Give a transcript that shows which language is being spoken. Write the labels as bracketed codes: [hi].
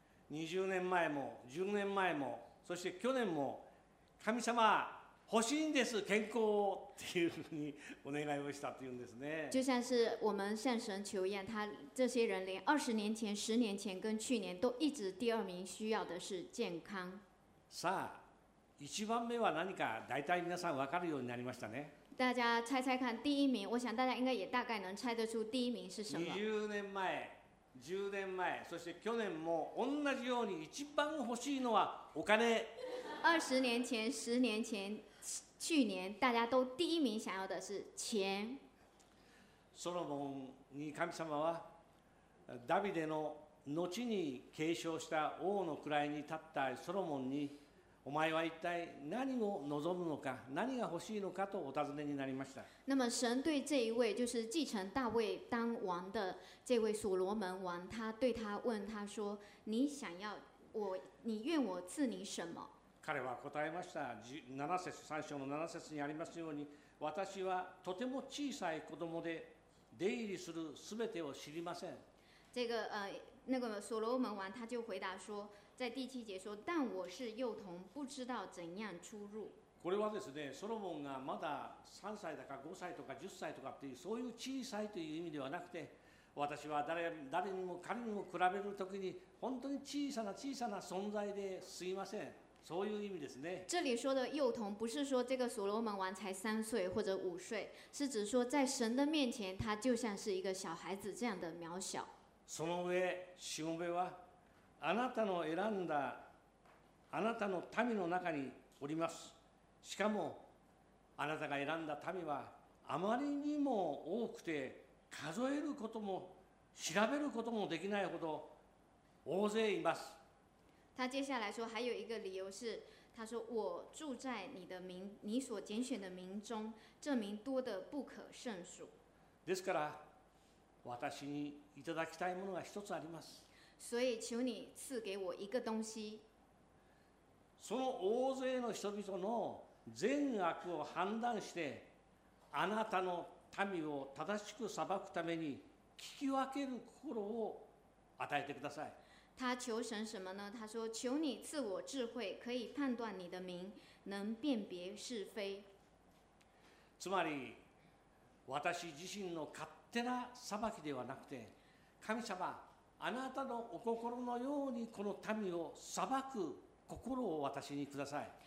[ja] 20年前も10年前もそして去年も神様欲しいんです健康っていうふうにお願いをしたというんですね。 [zh] 就像是我们向神求愿，他这些人连二十年前、十年前跟去年都一直第二名需要的是健康。 [ja] さあ、一番目は何か大体皆さん分かるようになりましたね。 [zh] 大家猜猜看，第一名，我想大家应该也大概能猜得出第一名是什么。 [ja] 20年前。 10年前、そして去年も同じように一番欲しいのはお金。 [zh] 20年前、10年前、去年、大家都第一名想要的是钱。 [ja] ソロモンに神様はダビデの後に継承した王の位に立ったソロモンに、お前は一体何を望むのか、何が欲しいのかとお尋ねになりました。 [zh] 那么神对这一位就是继承大卫当王的这位所罗门王，他对他问他说：“你想要我，你愿我赐你什么？” [ja] 彼は答えました。三章の七節にありますように、私はとても小さい子供で出入りするすべてを知りません。 [zh] 这个那个所罗门王他就回答说。在第七节说，但我是幼童，不知道怎样出入。 [ja] これはですね、ソロモンがまだ3歳だか5歳とか10歳とかっていうそういう小さいという意味ではなくて、私は 誰にも彼にも比べるときに本当に小さな小さな存在ですいません。そういう意味ですね。 [zh] 这里说的幼童不是说这个所罗门王才三岁或者五岁，是指说在神的面前他就像是一个小孩子这样的渺小。 [ja] その上、しもべはあなたの選んだあなたの民の中におります。しかもあなたが選んだ民はあまりにも多くて数えることも調べることもできないほど大勢います。 [zh] 他接下来说，还有一个理由是，他说我住在你的民，你所拣选的民中，这民多的不可胜数。 [ja] ですから、私にいただきたいものが一つあります。 [zh] 所以求你赐给我一个东西。 [ja] その大勢の人々の善悪を判断して、あなたの民を正しく裁くために聞き分ける心を与えてください。 [zh] 他求神什么呢？他说：“求你赐我智慧，可以判断你的名，能辨别是非。” [ja] つまり、私自身の勝手な裁きではなくて、神様、あなたのお心のようにこの民を裁く心を私にください。